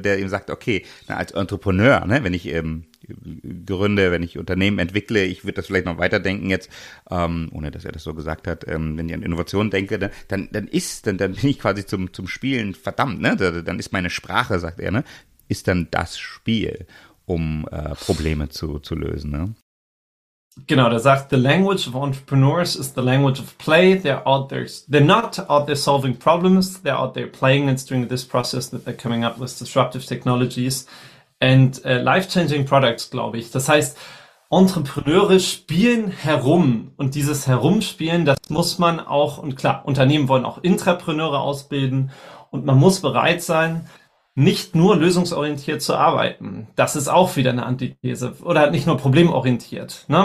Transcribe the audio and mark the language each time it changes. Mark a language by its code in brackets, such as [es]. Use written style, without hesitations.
[de] Der ihm sagt, okay, na, als Entrepreneur, ne, wenn ich gründe, wenn ich Unternehmen entwickle, ich würde das vielleicht noch weiterdenken jetzt, ohne dass er das so gesagt hat, wenn ich an Innovation denke, dann bin ich quasi zum Spielen verdammt, ne? Dann ist meine Sprache, sagt er, ne? Ist dann das Spiel, um Probleme zu lösen, ne? Genau, der sagt, [en] the language of entrepreneurs is the language of play. They're not out there solving problems, they're out there playing, and it's during this process that they're coming up with disruptive technologies and life-changing products, [de] glaube ich. Das heißt, Entrepreneure spielen herum und dieses Herumspielen, das muss man auch, und klar, Unternehmen wollen auch Intrapreneure ausbilden und man muss bereit sein, nicht nur lösungsorientiert zu arbeiten. Das ist auch wieder eine Antithese. Oder nicht nur problemorientiert. Ne?